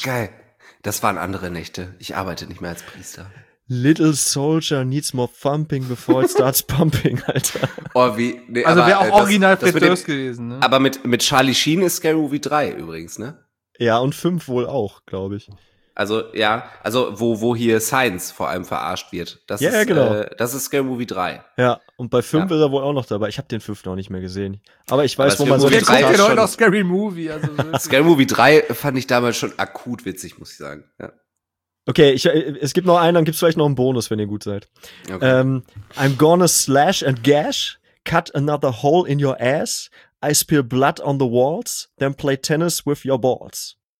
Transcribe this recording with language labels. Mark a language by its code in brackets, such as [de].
[de] Ach geil, das waren andere Nächte. Ich arbeite nicht mehr als Priester. [en] Little Soldier needs more thumping before it starts pumping, Alter. [de] Oh, wie. Nee, also wäre auch original Fred Durst gewesen, ne? Aber mit Charlie Sheen ist Scary Movie 3 übrigens, ne? Ja, und 5 wohl auch, glaube ich. Also, ja, also wo hier Science vor allem verarscht wird. Das ja, ist, ja, genau. Das ist Scary Movie 3. Ja, und bei 5 ja. Ist er wohl auch noch dabei. Ich habe den 5 noch nicht mehr gesehen. Aber ich weiß, aber wo man so ist. Wir gucken heute noch Scary Movie. Also Scary Movie 3 fand ich damals schon akut witzig, muss ich sagen, ja. Okay, es gibt noch einen, dann gibt's vielleicht noch einen Bonus, wenn ihr gut seid. Okay. [en] I'm gonna slash and gash, cut another hole in your ass, I spill blood on the walls, then play tennis with your balls.